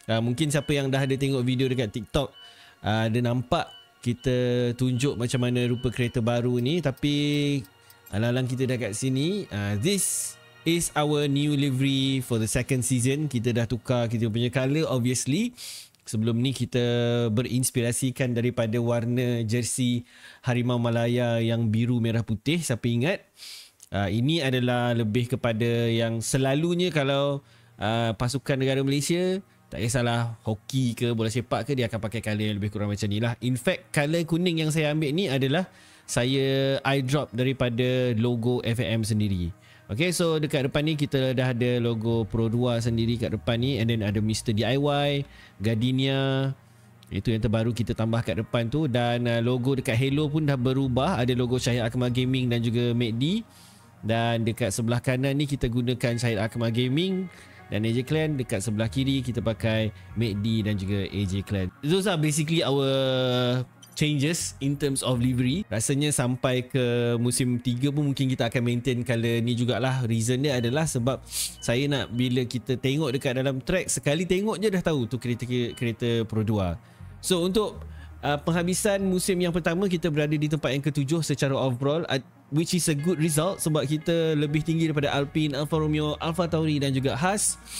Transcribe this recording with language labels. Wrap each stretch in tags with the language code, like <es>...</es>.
<ms>Mungkin siapa yang dah ada tengok video dekat TikTok, ada nampak kita tunjuk macam mana rupa kereta baru ni. Tapi, alang-alang kita dah kat sini.</ms> <en>This is our new livery for the second season.</en> <ms>Kita dah tukar kita punya colour, obviously. Sebelum ni kita berinspirasikan daripada warna jersey Harimau Malaya yang biru merah putih. Siapa ingat? Ini adalah lebih kepada yang selalunya kalau pasukan negara Malaysia, tak kisahlah hoki ke bola sepak ke, dia akan pakai colour yang lebih kurang macam ni lah.</ms> <en>In fact,</en> <ms>colour kuning yang saya ambil ni adalah saya eyedrop daripada logo FAM sendiri. Okay, so dekat depan ni kita dah ada logo Pro 2 sendiri kat depan ni.</ms> <en>And then</en> <ms>ada Mr. DIY, Gardenia. Itu yang terbaru kita tambah kat depan tu. Dan logo dekat Halo pun dah berubah. Ada logo Syahid Akmal Gaming dan juga MacD. Dan dekat sebelah kanan ni kita gunakan Syahid Akmal Gaming dan AJ Clan. Dekat sebelah kiri kita pakai MacD dan juga AJ Clan.</ms> <en>Those are basically our changes in terms of livery.</en> <ms>Rasanya sampai ke musim 3 pun mungkin kita akan maintain colour ni jugalah. Reason dia adalah sebab saya nak bila kita tengok dekat dalam track, sekali tengok je dah tahu tu kereta Pro 2. So untuk penghabisan musim yang pertama, kita berada di tempat yang ketujuh secara overall,</ms> <en>which is a good result</en> <ms>sebab kita lebih tinggi daripada Alpine, Alfa Romeo, Alfa Tauri dan juga Haas.</ms>